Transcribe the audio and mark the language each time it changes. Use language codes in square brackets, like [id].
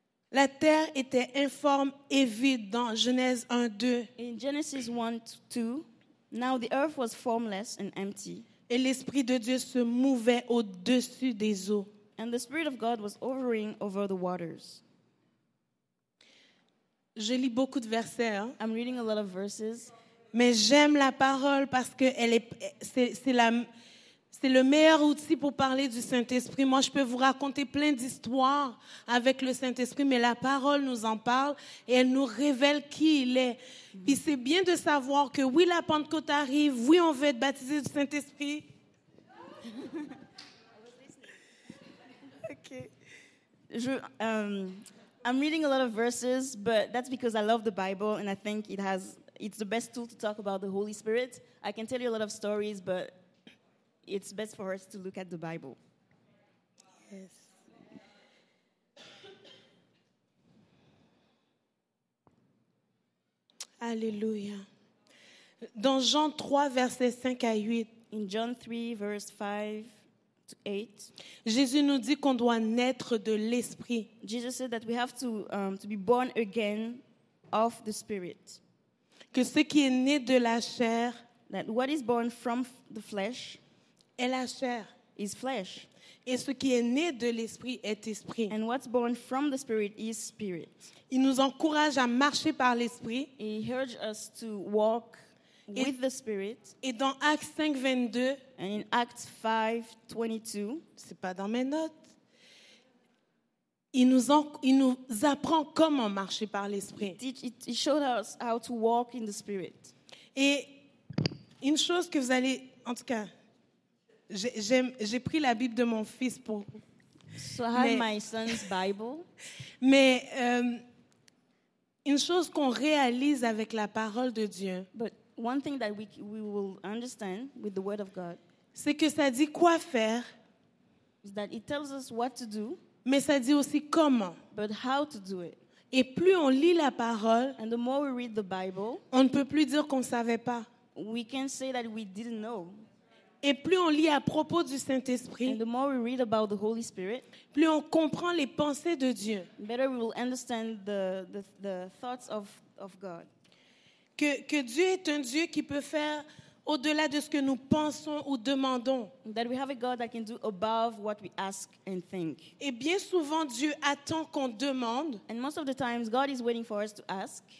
[fr] La terre était informe et vide dans Genèse 1, 2. [en] In Genesis 1, 2, now the earth was formless and empty. [fr] Et l'Esprit de Dieu se mouvait au-dessus des eaux. [en] And the Spirit of God was hovering over the waters. [fr] Je lis beaucoup de versets. [en] I'm reading a lot of verses. [fr] Mais j'aime la parole parce que c'est le meilleur outil pour parler du Saint-Esprit. Moi, je peux vous raconter plein d'histoires avec le Saint-Esprit, mais la parole nous en parle et elle nous révèle qui il est. Puis c'est bien de savoir que oui, la Pentecôte arrive, oui, on veut être baptisé du Saint-Esprit. [en] Okay. I'm reading a lot of verses, but that's because I love the Bible and I think it's the best tool to talk about the Holy Spirit. I can tell you a lot of stories, but it's best for us to look at the Bible. Yes. [fr] Alléluia. Dans Jean 3, versets 5 à 8. [en] In John 3, verse 5 to 8. [fr] Jésus nous dit qu'on doit naître de l'Esprit. [en] Jesus said that we have to be born again of the Spirit. [fr] Que ce qui est né de la chair. [en] That what is born from the flesh. [fr] Est la chair. [en] Is flesh. [fr] Et ce qui est né de l'esprit est esprit. [en] And what's born from the spirit is spirit. [fr] Il nous encourage à marcher par l'esprit. [en] He urges us to walk with the spirit. [fr] Et dans Actes 5, 22. [en] And in Acts 5, 22. [fr] C'est pas dans mes notes. Il nous apprend comment marcher par l'esprit. [en] He showed us how to walk in the spirit. [fr] Et une chose que vous allez, en tout cas, J'ai pris la Bible de mon fils pour. [en] So I have my son's Bible. [fr] Mais une chose qu'on réalise avec la parole de Dieu. [en] But one thing that we will understand with the word of God. [fr] C'est que ça dit quoi faire. [en] Is that it tells us what to do. [fr] Mais ça dit aussi comment. [en] But how to do it. [fr] Et plus on lit la parole. [en] And the more we read the Bible. [fr] On ne peut plus dire qu'on savait pas. [en] We can say that we didn't know. [fr] Et plus on lit à propos du Saint-Esprit, [en] and the more we read about the Holy Spirit, [fr] plus on comprend les pensées de Dieu. [en] Better we will understand the thoughts of God. [fr] Que Dieu est un Dieu qui peut faire au-delà de ce que nous pensons ou demandons. [en] That we have a God that can do above what we ask and think. [fr] Et bien souvent, Dieu attend qu'on demande. [en] And most of the times, God is waiting for us to ask.